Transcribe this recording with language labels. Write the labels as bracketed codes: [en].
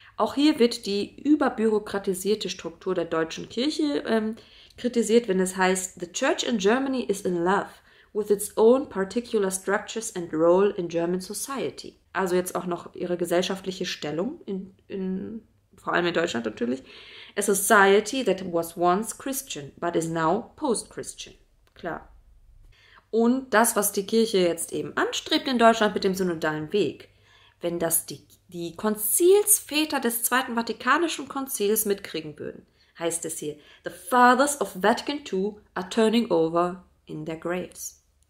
[de] Auch hier wird die überbürokratisierte Struktur der deutschen Kirche kritisiert, wenn es heißt, [en] the church in Germany is in love with its own particular structures and role in German society. [de] Also jetzt auch noch ihre gesellschaftliche Stellung, vor allem in Deutschland natürlich. [en] A society that was once Christian, but is now post-Christian. [de] Klar. Und das, was die Kirche jetzt eben anstrebt in Deutschland mit dem synodalen Weg, wenn das die Konzilsväter des Zweiten Vatikanischen Konzils mitkriegen würden, heißt es hier, [en] the fathers of Vatican II are turning over in their graves.